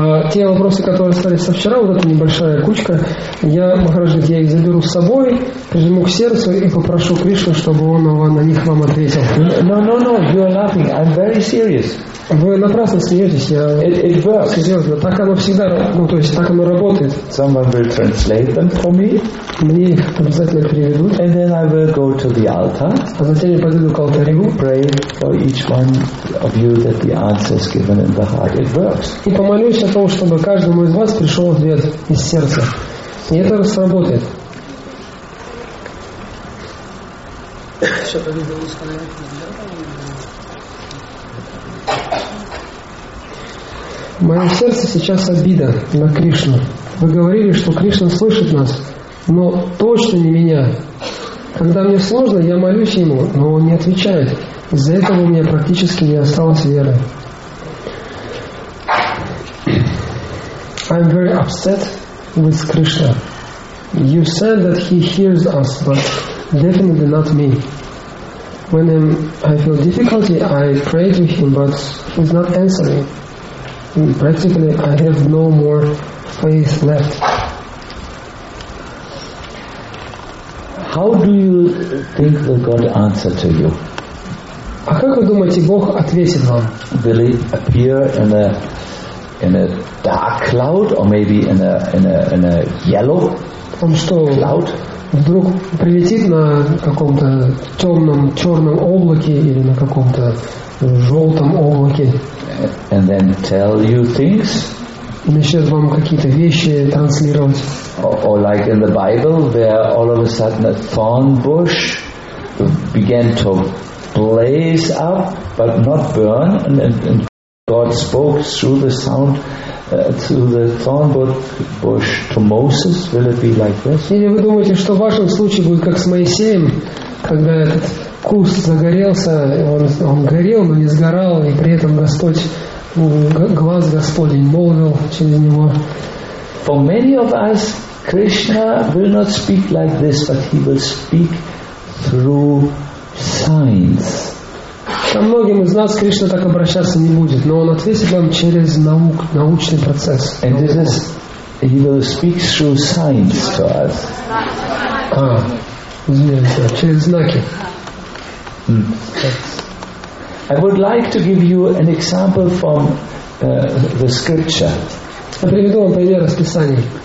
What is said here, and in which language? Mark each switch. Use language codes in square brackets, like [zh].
[ru] Те вопросы, которые остались со вчера, вот эта небольшая кучка, я их заберу с собой, прижму к сердцу и попрошу Кришну, чтобы он на них вам ответил. [en] No, you are laughing. I'm very serious. [ru] Вы напрасно смеетесь. [en] It works. [ru] Серьезно, так оно всегда, то есть так оно работает. [en] Someone will translate them for me. [ru] Мне их обязательно переведут. [en] And then I will go to the altar. [ru] А затем я пойду к алтарю. [en] Pray for each one of you that the answer is given in the heart. It works. [ru] И помолюсь о том, чтобы каждому из вас пришел ответ из сердца. И это сработает. В моем сердце сейчас обида на Кришну. Вы говорили, что Кришна слышит нас, но точно не меня. Когда мне сложно, я молюсь Ему, но Он не отвечает. Из-за этого у меня практически не осталось веры. [en] I'm very upset with Krishna. You said that He hears us, but definitely not me. When I feel difficulty, I pray to Him, but He's not answering. Practically, I have no more faith left. How do you think that God answered to you? [ru] А как вы думаете, Бог ответит вам? [en] Will He appear in a dark cloud, or maybe in a yellow [ru] Он что, [en] cloud? [ru] Вдруг прилетит на каком-то темном черном облаке или на каком-то желтом облаке. [en] And then tell you things. [ru] И начнет вам какие-то вещи транслировать. [en] Or like in the Bible, where all of a sudden a thorn bush began to blaze up, but not burn, and God spoke through the sound to the thorn bush to Moses. Will it be like this? [ru] Или вы думаете, что в вашем случае будет как с Моисеем, когда этот куст загорелся, он горел, но не сгорал, и при этом глаз Господень молвил через него. [en] For many of us, Krishna will not speak like this, but he will speak through signs. [ru] Со многим из нас Кришна так обращаться не будет, но он ответит нам через научный процесс. [en] And this is, he will speak through signs to us. [ru] Извините, через знаки. [en] I would like to give you an example from the scripture. [ru] Я приведу вам пример из Писания.